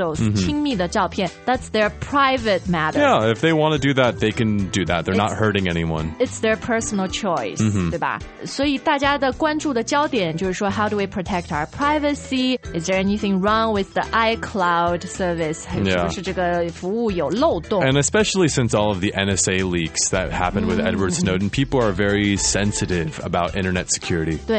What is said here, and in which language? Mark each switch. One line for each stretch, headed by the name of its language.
English: photos,
Chinese: 亲密的 照片,
English: that's their private matter. Yeah, if they want to do that, they can do that. They're not hurting anyone. It's their personal choice,
Chinese: 对吧?所以大家的关注的焦点就是说,
English: how do we protect our privacy? Is there anything wrong with the iCloud service?
Chinese: 是不是这个服务有漏洞?
English: And especially since all of the NSA leaks that happened with Edward Snowden, people are very sensitive about internet security.